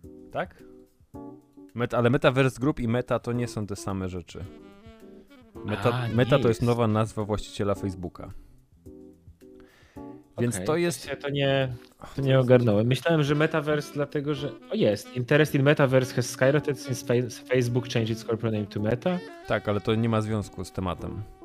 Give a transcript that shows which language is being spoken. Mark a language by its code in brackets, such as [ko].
[pl] Tak? Ale Metaverse Group i meta to nie są te same rzeczy. Meta to jest nowa nazwa właściciela Facebooka. Więc okay, to jest... To nie ogarnąłem. Myślałem, że Metaverse dlatego, że... O, jest. [en] Interest in Metaverse has skyrocketed since Facebook changed its corporate name to Meta. [pl] Tak, ale to nie ma związku z tematem.